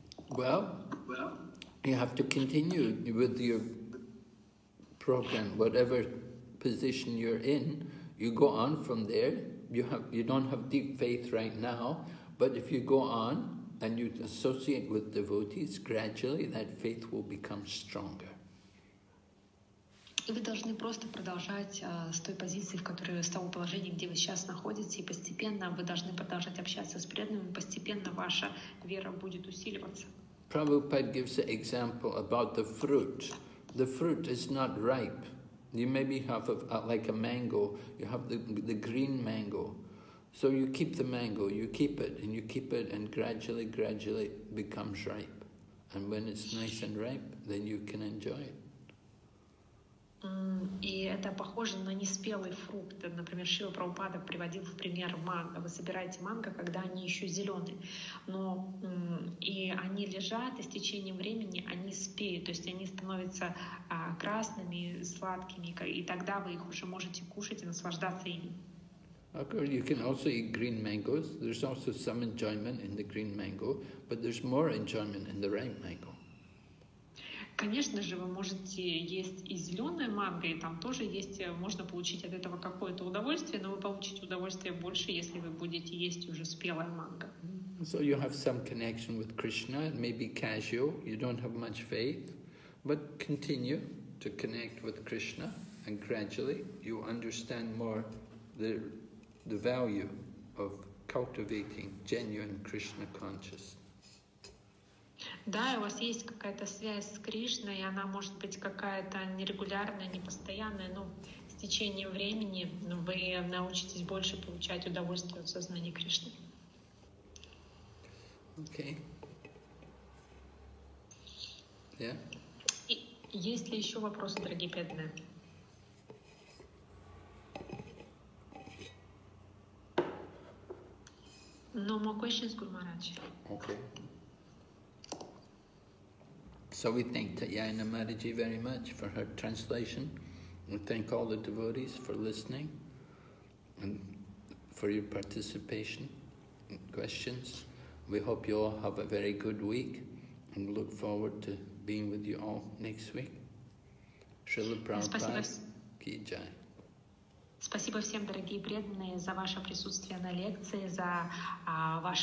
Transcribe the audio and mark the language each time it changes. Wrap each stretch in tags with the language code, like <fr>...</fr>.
<en>Well, you have to continue with your program, whatever position you're in, you go on from there. You don't have deep faith right now, but if you go on and you associate with devotees, gradually that faith will become stronger.</en> <ru>И вы должны просто продолжать с той позиции, в которой, с того положения, где вы сейчас находитесь, и постепенно вы должны продолжать общаться с преданными, постепенно ваша вера будет усиливаться.</ru> <en>Prabhupada gives an example about the fruit. The fruit is not ripe. You maybe have like a mango, you have the green mango. So you keep the mango, you keep it, and you keep it, and gradually it becomes ripe. And when it's nice and ripe, then you can enjoy it.</en> <ru>И это похоже на неспелый фрукт. Например, Шрила Прабхупада приводил в пример манго. Вы собираете манго, когда они еще зеленые, но и они лежат, и с течением времени они спеют, то есть они становятся красными, сладкими, и тогда вы их уже можете кушать и наслаждаться ими.</ru> <en>Okay, you can also eat green mangoes. There's also some enjoyment in the green mango, but there's more enjoyment in the ripe mango.</en> <ru>Конечно же, вы можете есть и зеленое манго, и там тоже есть, можно получить от этого какое-то удовольствие, но вы получите удовольствие больше, если вы будете есть уже спелое манго.</ru> <en>So you have some connection with Krishna, maybe casual, you don't have much faith, but continue to connect with Krishna, and gradually you understand more the value of cultivating genuine Krishna consciousness.</en> <ru>Да, у вас есть какая-то связь с Кришной, и она может быть какая-то нерегулярная, непостоянная, но с течением времени вы научитесь больше получать удовольствие от сознания Кришны. Окей. Да? Есть ли еще вопросы, дорогие преданные?</ru> <en>No more questions, Guru Maharaj.</en> <ru>Окей.</ru> <en>So we thank Tatyana Mataji very much for her translation. We thank all the devotees for listening and for your participation and questions. We hope you all have a very good week and look forward to being with you all next week. Srila Prabhupada Ki Jai.</en> <ru>Спасибо всем, дорогие преданные, за ваше присутствие на лекции, за ваше</ru>